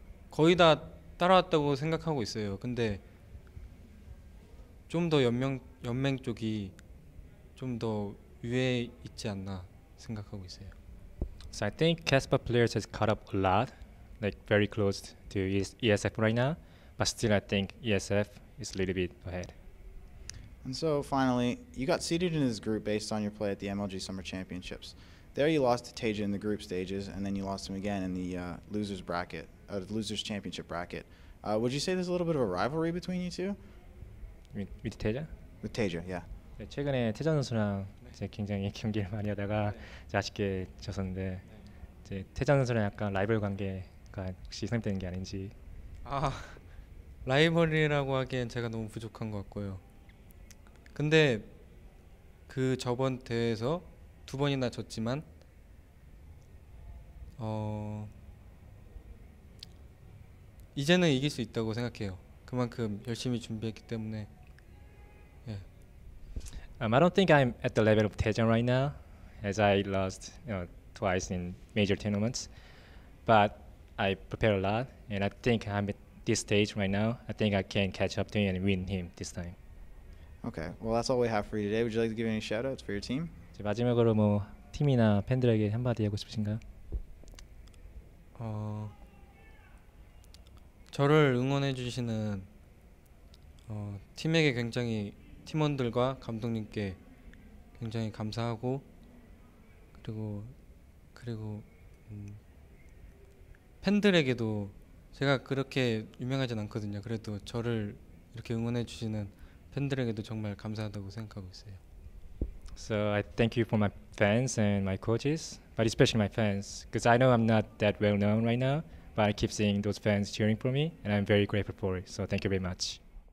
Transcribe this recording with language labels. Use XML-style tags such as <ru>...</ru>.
<ko>거의 다 따라왔다고 생각하고 있어요. 근데 좀 더 연맹 쪽이 좀 더 위에 있지 않나 생각하고 있어요.</ko> <en>So I think Kespa players has caught up a lot, like very close to ESF right now, but still I think ESF is a little bit ahead. And so finally, you got seeded in this group based on your play at the MLG Summer Championships. There you lost to Teja in the group stages, and then you lost him again in the losers championship bracket. Would you say there's a little bit of a rivalry between you two? With Teja? With Teja, yeah.</en> <ko>네, 최근에 태자 선수랑 이제 굉장히 경기를 많이 하다가 이제 아쉽게 졌었는데 이제 태자 선수랑 약간 라이벌 관계가 혹시 생기는 게 아닌지. 라이벌이라고 하기엔 제가 너무 부족한 것 같고요. 근데 그 저번 대회에서 두 번이나 졌지만 이제는 이길 수 있다고 생각해요. 그만큼 열심히 준비했기 때문에.</ko> <en>I don't think I'm at the level of Tejan right now, as I lost twice in major tournaments. But I prepare a lot, and I think I'm at this stage right now. I think I can catch up to him and win him this time. Okay, well that's all we have for you today. Would you like to give any shout-outs for your team?</en> <ko>이제 마지막으로 뭐 팀이나 팬들에게 한마디 하고 싶으신가요? 저를 응원해 주시는 팀에게 굉장히 팀원들과 감독님께 굉장히 감사하고 그리고 팬들에게도 제가 그렇게 유명하진 않거든요. 그래도 저를 이렇게 응원해 주시는 팬들에게도 정말 감사하다고 생각하고 있어요.</ko> <en>So I thank you for my fans and my coaches, but especially my fans, because I know I'm not that well known right now, but I keep seeing those fans cheering for me, and I'm very grateful for it. So thank you very much.</en>